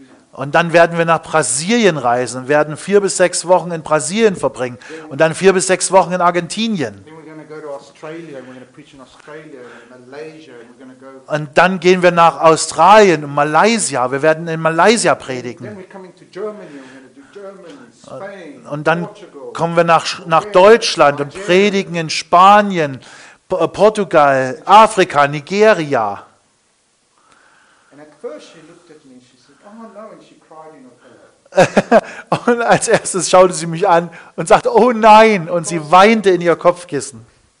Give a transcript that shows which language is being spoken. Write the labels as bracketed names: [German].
[German] Und dann werden wir nach Brasilien reisen, werden 4 bis 6 Wochen in Brasilien verbringen und dann 4 bis 6 Wochen in Argentinien. [English] Australia, we're going to preach in Australia and Malaysia, and we're going to go. [German] Und dann gehen wir nach Australien und Malaysia. Wir werden in Malaysia predigen. [English] Then we're coming to Germany, we're going to do Germany, Spain, [German] und dann Portugal, kommen wir nach Deutschland und predigen in Spanien, Portugal, Afrika, Nigeria. [English] And at first she looked at me, she said, oh no, and she cried in a pillow. [German] Und als erstes schaute sie mich an und sagte, oh nein, und sie weinte in ihr Kopfkissen.